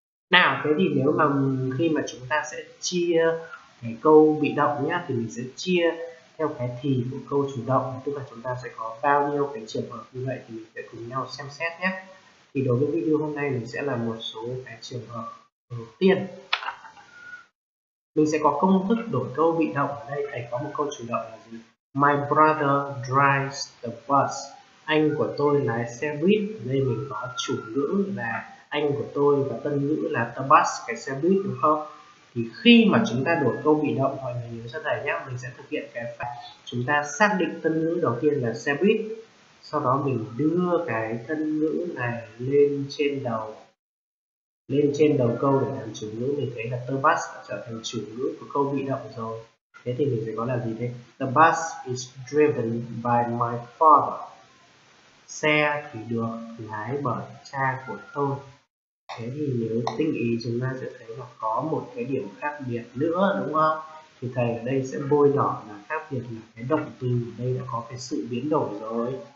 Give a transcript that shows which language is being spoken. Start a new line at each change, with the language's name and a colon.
Vietnamese: Nào, thế thì nếu mà khi mà chúng ta sẽ chia cái câu bị động nhá, thì mình sẽ chia theo cái thì của câu chủ động, tức là chúng ta sẽ có bao nhiêu cái trường hợp như vậy, thì mình sẽ cùng nhau xem xét nhé. Thì đối với video hôm nay mình sẽ làm một số cái trường hợp đầu tiên. Mình sẽ có công thức đổi câu bị động ở đây. Thầy có một câu chủ động là gì?
English: My brother drives the bus.
Vietnamese: Anh của tôi lái xe buýt. Ở đây mình có chủ ngữ là anh của tôi và tân ngữ là the bus, cái xe buýt đúng không? Thì khi mà chúng ta đổi câu bị động, mọi người nhớ cho thầy nhé, mình sẽ thực hiện cái phần chúng ta xác định tân ngữ đầu tiên là xe buýt, sau đó mình đưa cái tân ngữ này lên trên đầu, lên trên đầu câu để làm chủ ngữ, mình thấy là the bus trở thành chủ ngữ của câu bị động rồi. Thế thì mình sẽ có là gì đây?
English: The bus is driven by my father.
Vietnamese: Xe thì được lái bởi cha của tôi. Thế thì nếu tinh ý chúng ta sẽ thấy là có một cái điểm khác biệt nữa đúng không? Thì thầy ở đây sẽ bôi nhỏ là khác biệt là cái động từ ở đây đã có cái sự biến đổi rồi.